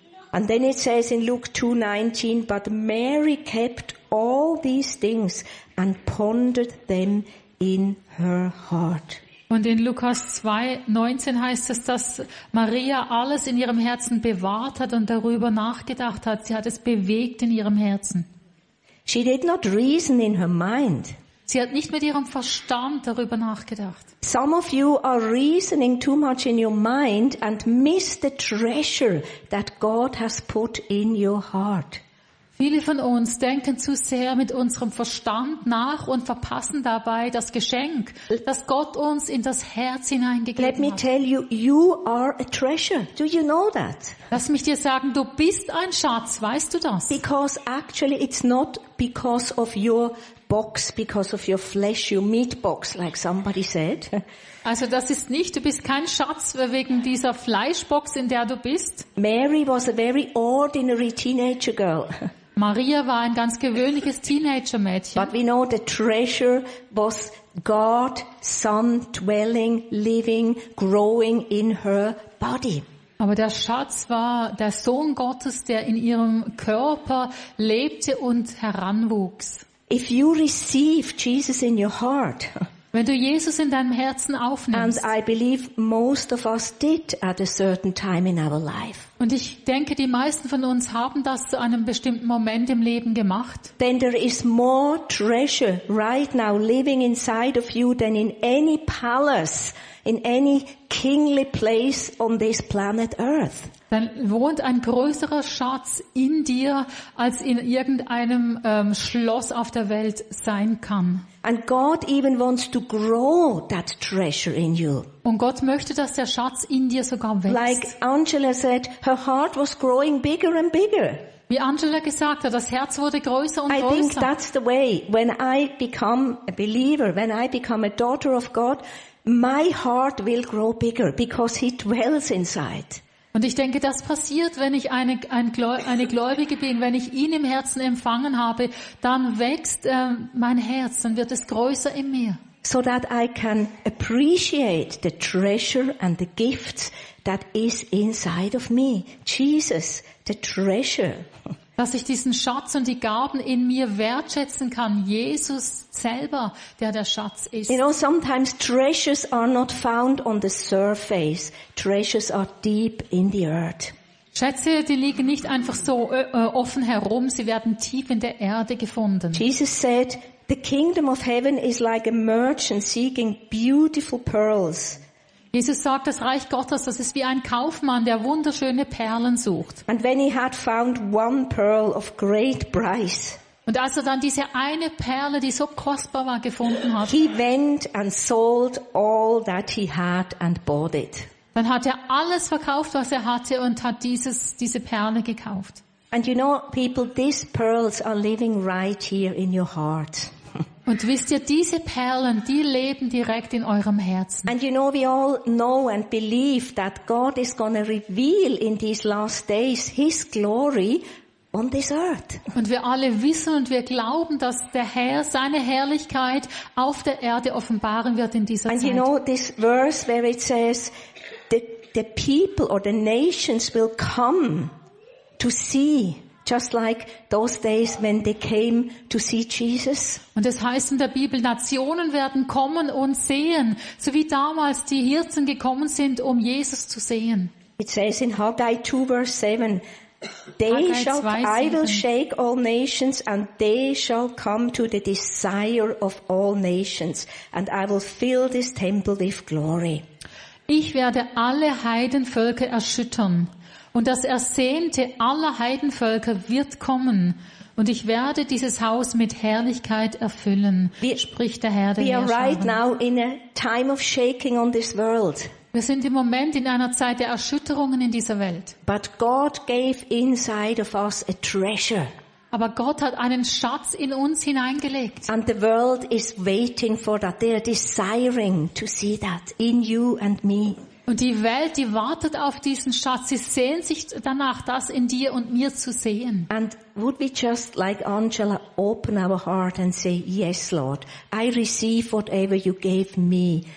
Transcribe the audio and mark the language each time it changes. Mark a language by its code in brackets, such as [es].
[en] And then it says in Luke 2:19, but Mary kept all these things and pondered them in her heart. [de] Und in Lukas 2:19 heißt es, dass Maria alles in ihrem Herzen bewahrt hat und darüber nachgedacht hat. Sie hat es bewegt in ihrem Herzen. [en] She did not reason in her mind. [de] Sie hat nicht mit ihrem Verstand darüber nachgedacht. [en] Some of you are reasoning too much in your mind and miss the treasure that God has put in your heart. [de] Viele von uns denken zu sehr mit unserem Verstand nach und verpassen dabei das Geschenk, das Gott uns in das Herz hineingegeben hat. [en] Let me tell you, you are a treasure. Do you know that? [de] Lass mich dir sagen, du bist ein Schatz, weißt du das? [en] Because actually it's not because of your box, because of your flesh, your meat box, like somebody said. [de] Also das ist nicht, du bist kein Schatz wegen dieser Fleischbox, in der du bist. [en] Mary was a very ordinary teenager girl. [de] Maria war ein ganz gewöhnliches Teenager-Mädchen. [en] But we know the treasure was God, Son, dwelling, living, growing in her body. [de] Aber der Schatz war der Sohn Gottes, der in ihrem Körper lebte und heranwuchs. [en] If you receive Jesus in your heart, [de] wenn du Jesus in deinem Herzen aufnimmst, [en] and I believe most of us did at a certain time in our life, [de] und ich denke, die meisten von uns haben das zu einem bestimmten Moment im Leben gemacht, [en] then there is more treasure right now living inside of you than in any palace, in any kingly place on this planet Earth. [de] dann wohnt ein größerer Schatz in dir, als in irgendeinem Schloss auf der Welt sein kann. [en] And God even wants to grow that treasure in you. [de] Und Gott möchte, dass der Schatz in dir sogar wächst. [en] Like Angela said, her heart was growing bigger and bigger. [de] Wie Angela gesagt hat, das Herz wurde größer und größer. [en] I think that's the way. When I become a believer, when I become a daughter of God, my heart will grow bigger because He dwells inside. [de] Und ich denke, das passiert, wenn ich eine Gläubige bin, wenn ich ihn im Herzen empfangen habe, dann wächst mein Herz, dann wird es größer in mir. [en] So that I can appreciate the treasure and the gifts that is inside of me. Jesus, the treasure. [de] Dass ich diesen Schatz und die Gaben in mir wertschätzen kann. Jesus selber, der Schatz ist. [en] You know, sometimes treasures are not found on the surface. Treasures are deep in the earth. [de] Schätze, die liegen nicht einfach so offen herum. Sie werden tief in der Erde gefunden. [en] Jesus said, the kingdom of heaven is like a merchant seeking beautiful pearls. [de] Jesus sagt, das Reich Gottes, das ist wie ein Kaufmann, der wunderschöne Perlen sucht. [en] And when he had found one pearl of great price, [de] und als er dann diese eine Perle, die so kostbar war, gefunden hat, [en] he went and sold all that he had and bought it. [de] Dann hat er alles verkauft, was er hatte, und hat diese Perle gekauft. [en] And you know, people, these pearls are living right here in your heart. [de] Und wisst ihr, diese Perlen, die leben direkt in eurem Herzen. [en] And you know, we all know and believe that God is going to reveal in these last days His glory on this earth. [de] Und wir alle wissen und wir glauben, dass der Herr seine Herrlichkeit auf der Erde offenbaren wird in dieser [en] and [de] Zeit. [en] And you know, this verse where it says, the people or the nations will come to see. Just like those days when they came to see Jesus. [de] Und es heißt in der Bibel, Nationen werden kommen und sehen, so wie damals die Hirten gekommen sind, um Jesus zu sehen. [en] It says in Haggai 2 verse 7, I will shake all nations and they shall come to the desire of all nations and I will fill this temple with glory. [de] Ich werde alle Heidenvölker erschüttern. Und das Ersehnte aller Heidenvölker wird kommen. Und ich werde dieses Haus mit Herrlichkeit erfüllen, spricht der Herr der Herrscher. [en] We are right now in a time of shaking on this world. [de] Wir sind im Moment in einer Zeit der Erschütterungen in dieser Welt. [en] But God gave inside of us a treasure. [de] Aber Gott hat einen Schatz in uns hineingelegt. [en] And the world is waiting for that. They are desiring to see that in you and me. [de] Und die Welt, die wartet auf diesen Schatz. Sie sehnt sich danach, das in dir und mir zu sehen. [en] And would we just like Angela open our heart and say, yes, Lord, I receive whatever you gave me.